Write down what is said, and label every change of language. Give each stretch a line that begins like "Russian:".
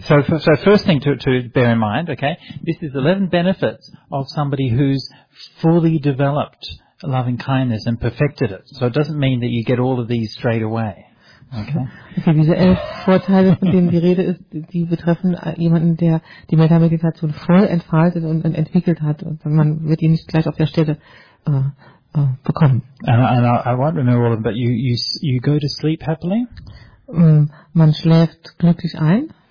English: So first thing to bear in mind. Okay, this is 11 benefits of somebody who's fully developed loving kindness and perfected it. So it doesn't mean that you get all of these straight away. Okay.
German: Diese 11 Vorteile, von denen die Rede ist, die betreffen jemanden, der die Metta-Meditation voll entfaltet und entwickelt hat. Und man wird ihn nicht gleich auf der Stelle bekommen.
English: And I won't remember all of them, but you go to sleep happily.
German: Man schläft glücklich ein.